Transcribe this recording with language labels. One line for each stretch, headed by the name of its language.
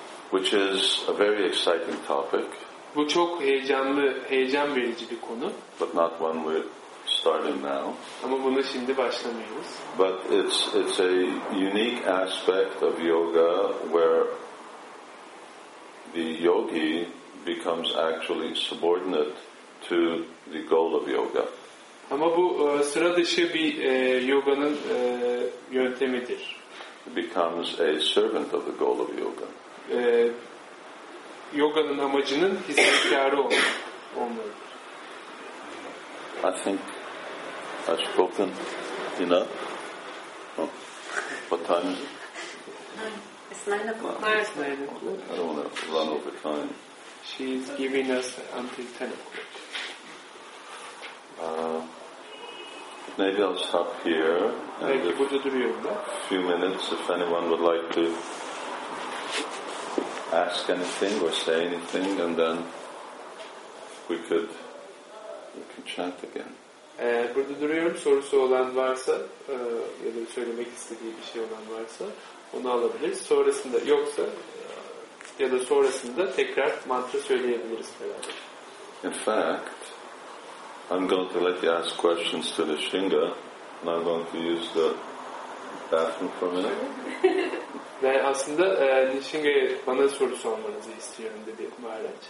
English: Which is a very exciting topic.
Turkish: Bu çok heyecan verici bir konu.
English: But not one we're starting now.
Turkish: Ama bunu şimdi başlamıyoruz.
English: But it's a unique aspect of yoga where the yogi becomes actually subordinate to the goal of yoga.
Turkish: Ama bu sıra dışı bir yoganın yöntemidir.
English: Becomes a servant of the goal of yoga.
Turkish: Yoganın amacının hizmetkarı olmalıdır.
English: I think I've spoken enough. Oh, what time is it? It's 9 o'clock. It's 9 o'clock. I don't want to run over time. She's giving us until 10 o'clock. Maybe I'll stop here.
Turkish: Belki burada duruyorum da.
English: A few minutes if anyone would like to ask anything or say anything, and then we could chat again.
Turkish: Burada duruyorum. Sorusu olan varsa ya da söylemek istediği bir şey olan varsa onu alabiliriz. Sonrasında yoksa ya da sonrasında tekrar mantra söyleyebiliriz beraber.
English: In fact, I'm going to let you ask questions to the Shinga, and I'm going to use the bathroom for a minute.
Turkish: Ben aslında Nishinga'ya bana soru sormanızı istiyorum dedi Maharaj.